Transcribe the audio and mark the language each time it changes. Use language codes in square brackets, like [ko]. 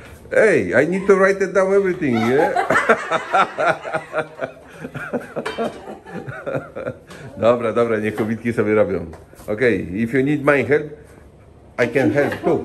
[en] Hey, I need to write it down everything, yeah? [pl] Dobra, dobra, niech kobitki sobie robią. [en] Okay, if you need my help, I can help too.